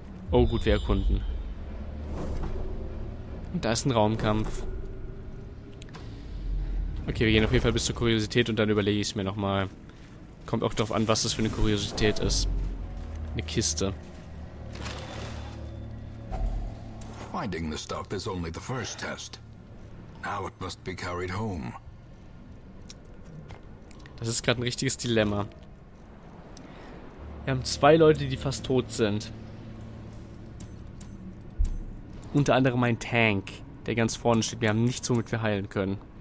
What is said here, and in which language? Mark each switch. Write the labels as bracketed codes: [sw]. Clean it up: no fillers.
[de] Oh gut, wir erkunden. Und da ist ein Raumkampf. Okay, wir gehen auf jeden Fall bis zur Kuriosität und dann überlege ich es mir nochmal. Kommt auch darauf an, was das für eine Kuriosität ist. Eine Kiste. [en] Finding the stuff is only the first test. Now it must be carried home. [de] Das ist gerade ein richtiges Dilemma. Wir haben zwei Leute, die fast tot sind. Unter anderem mein Tank, der ganz vorne steht. Wir haben nichts, womit wir heilen können.